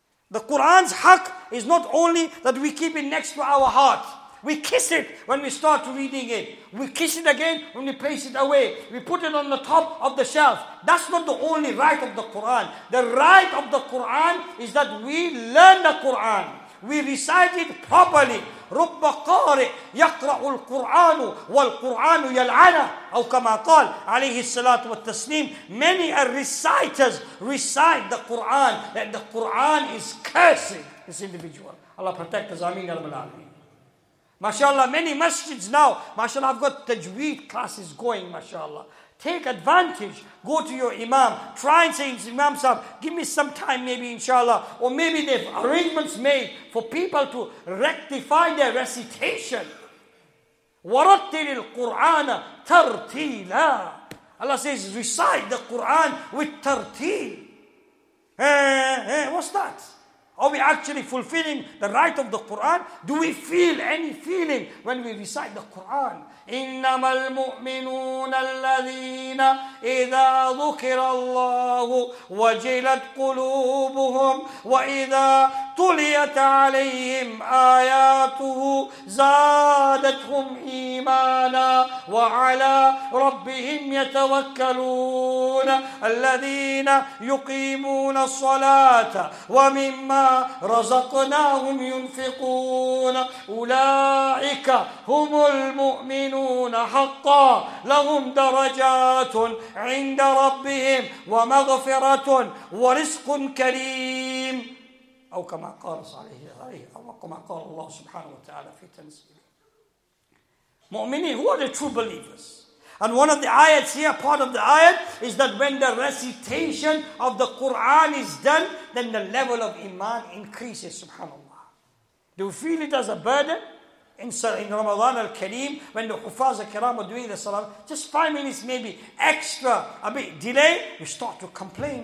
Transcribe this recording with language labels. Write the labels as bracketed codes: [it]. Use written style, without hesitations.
[en] The Quran's haq is not only that we keep it next to our heart. We kiss it when we start reading it. We kiss it again when we place it away. We put it on the top of the shelf. That's not the only right of the Quran. The right of the Quran is that we learn the Quran. we recite it properly. [ar] رب قارئ يقرأ القرآن والقرآن يلعن أو كما قال عليه الصلاة والتسليم. [en] Many reciters recite the Quran that the Quran is cursing this individual. Allah protect us. Amin. MashaAllah, many masjids now. MashaAllah, I've got tajweed classes going, MashaAllah. Take advantage. Go to your imam. Try and say, Imam sahab, give me some time maybe, inshallah. Or maybe there's arrangements made for people to rectify their recitation. [ar] وَرَتِّلِ الْقُرْآنَ تَرْتِيلًا. [en] Allah says, recite the Qur'an with tartil. What's that? Are we actually fulfilling the right of the Qur'an? Do we feel any feeling when we recite the Qur'an? [ar] إنما المؤمنون الذين إذا ذكر الله وجلت قلوبهم وإذا تليت عليهم آياته زادتهم إيمانا وعلى ربهم يتوكلون الذين يقيمون الصلاة ومما رزقناهم ينفقون أولئك هم المؤمنون حقا لهم درجات عند ربهم ومغفرة ورزق كريم أو كما قال صلى الله عليه وسلم أو كما قال الله سبحانه وتعالى في تنزيله مؤمنين. [en] Who are the true believers? And one of the ayats here, part of the ayat, is that when the recitation of the Quran is done, then the level of iman increases. Subhanallah. Do we feel it as a burden? In Ramadan al-Kareem, when the Hufaz al-Kiram are doing the salam, just 5 minutes maybe extra, a bit delay, we start to complain.